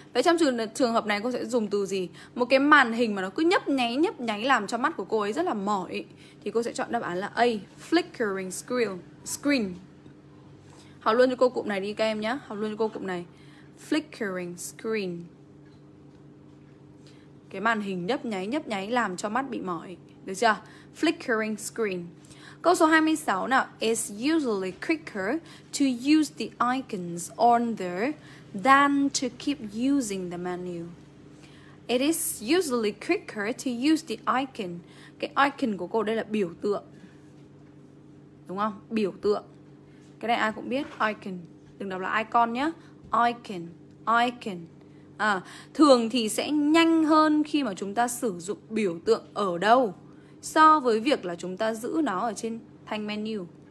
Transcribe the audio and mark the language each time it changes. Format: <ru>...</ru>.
<vi>Vậy trong trường hợp này cô sẽ dùng từ gì? Một cái màn hình mà nó cứ nhấp nháy làm cho mắt của cô ấy rất là mỏi, thì cô sẽ chọn đáp án là A, flickering screen. Học luôn cho cô cụm này đi các em nhé. Học luôn cho cô cụm này, flickering screen. Cái màn hình nhấp nháy làm cho mắt bị mỏi, được chưa? Flickering screen. Câu số 26 nào.</vi> <en>It's usually quicker to use the icons on there than to keep using the menu. It is usually quicker to use the icon.</en> <vi>Cái icon của cô đây là biểu tượng, đúng không? Biểu tượng. Cái này ai cũng biết, icon. Đừng đọc là icon nhé. Icon, icon. À, thường thì sẽ nhanh hơn khi mà chúng ta sử dụng biểu tượng ở đâu so với việc là chúng ta giữ nó ở trên thanh menu.</vi>